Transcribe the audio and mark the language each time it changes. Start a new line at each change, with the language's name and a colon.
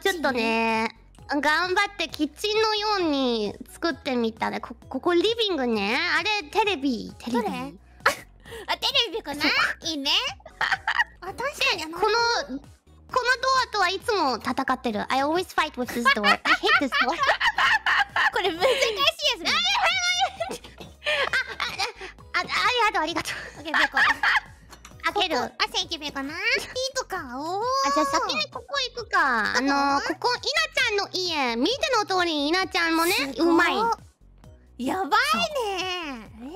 Japanese: ちょっとね、頑張ってキッチンのように作ってみたね。ここリビングね。あれ、テレビ、テレビ。どれ？あ、テレビかな？いいね。あ、確かに。このドアとはいつも戦ってる。
English: I always fight with this door. I hate this door.
Japanese: これ難しいですね。ありがとう、ありがとう。オッケー、ペコ。開ける。あ、センキューペコな。いいとか、おー。あ、じゃあ先にここ行くか。ここ、イナちゃんの家。見ての通り、イナちゃんもね、うまい。やばいね。